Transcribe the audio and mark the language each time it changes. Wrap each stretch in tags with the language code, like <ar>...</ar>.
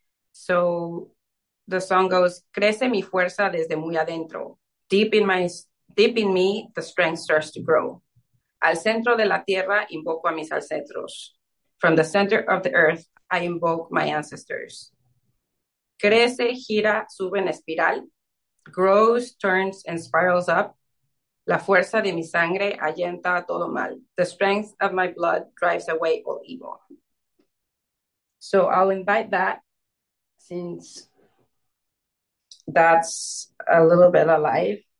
<en>So the song goes,</en> <es>Crece mi fuerza desde muy adentro,</es> <en>deep in my Deep in me, the strength starts to grow.</en> <es>Al centro de la tierra, invoco a mis ancestros.</es> <en>From the center of the earth, I invoke my ancestors.</en> <es>Crece, gira, sube en espiral.</es> <en>Grows, turns, and spirals up.</en> <es>La fuerza de mi sangre ahuyenta todo mal.</es> <en>The strength of my blood drives away all evil. So I'll invite that since that's a little bit alive.</en>